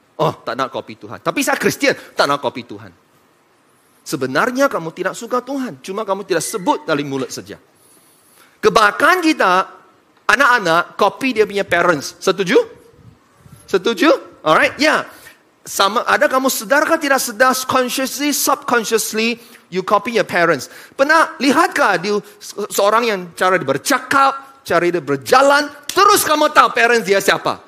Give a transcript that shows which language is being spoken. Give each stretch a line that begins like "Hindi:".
Malay: Oh, tak nak copy Tuhan. Tapi saya Kristian, tak nak copy Tuhan. Sebenarnya kamu tidak suka Tuhan, cuma kamu tidak sebut dari mulut saja. Kebanyakan kita, anak-anak, copy dia punya parents. Setuju? Setuju? Alright? Ya. Sama, ada kamu sedar kah tidak sedar?
English: Consciously, subconsciously, you copy your parents.
Malay: Pernah lihatkah dia seorang yang cara dia bercakap, cara dia berjalan, terus kamu tahu parents dia siapa?